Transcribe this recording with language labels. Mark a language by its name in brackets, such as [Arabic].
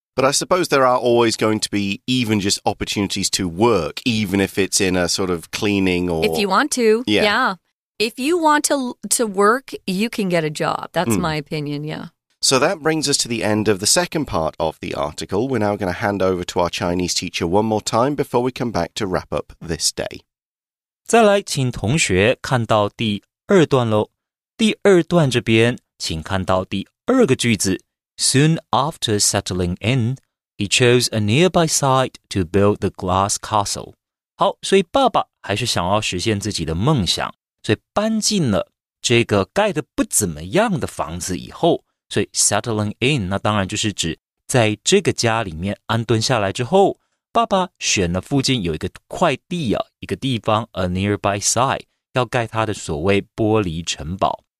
[English] But I suppose there are always going to be even just opportunities to work, even if it's in a sort of cleaning or... If you want to. Yeah. Yeah. If you want to work, you can get a job. That's my opinion, yeah. So that brings us to the end of the second part of the article. We're now going to hand over to our Chinese teacher one more time before we come back to wrap up this day. [Chinese] 再来请同学看到第二段咯。第二段这边请看到第二个句子。 [English] Soon after settling in, he chose a nearby site to build the glass castle. [Chinese] 好，所以爸爸还是想要实现自己的梦想，所以搬进了这个盖得不怎么样的房子以后，所以 settling in 那当然就是指在这个家里面安顿下来之后，爸爸选了附近有一个块地啊，一个地方 [English] a nearby site [Chinese] 要盖他的所谓玻璃城堡。